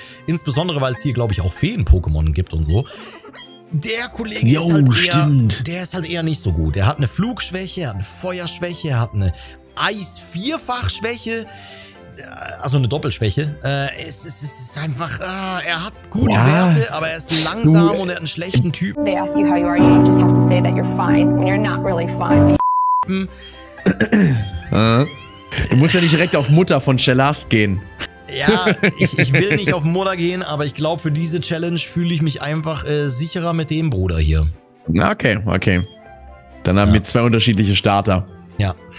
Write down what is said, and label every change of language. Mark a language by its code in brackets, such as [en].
[de] Insbesondere, weil es hier, glaube ich, auch Feen-Pokémon gibt und so. Der Kollege ist halt eher nicht so gut. Er hat eine Flugschwäche, er hat eine Feuerschwäche, er hat eine Eis-Vierfach-Schwäche, also eine Doppelschwäche. Er hat gute Werte, aber er ist langsam und er hat einen schlechten Typen. [en] They ask you how you are, you just have to say that you're fine, when you're not really fine. [de] Du musst ja nicht direkt auf Mutter von Chellas gehen. Ja, ich will nicht auf Mutter gehen, aber ich glaube, für diese Challenge fühle ich mich einfach sicherer mit dem Bruder hier. Okay. Dann haben wir zwei unterschiedliche Starter. Ja.